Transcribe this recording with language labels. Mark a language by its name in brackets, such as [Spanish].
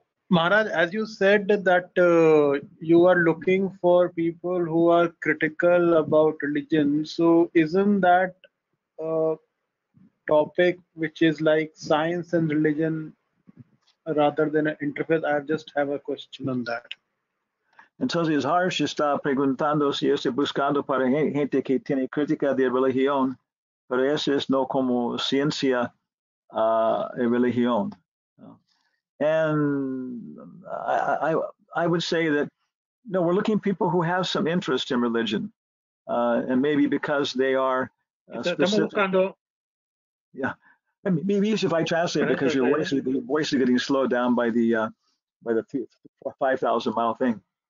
[English] Maharaj, as you said that you are looking for people who are critical about religion, so isn't that a topic which is like science and religion rather than an interfaith? I just have a question on that. [Spanish] Entonces, Harsh está preguntando si está buscando para gente que tiene crítica de religión. Pero eso es no como ciencia y religión. [English] And I would say that, no, we're looking at people who have some interest in religion, and maybe because they are specific. [Spanish] Estamos buscando. [English] Yeah, maybe easier if I translate because your voice is getting slowed down by the 5,000 mile thing.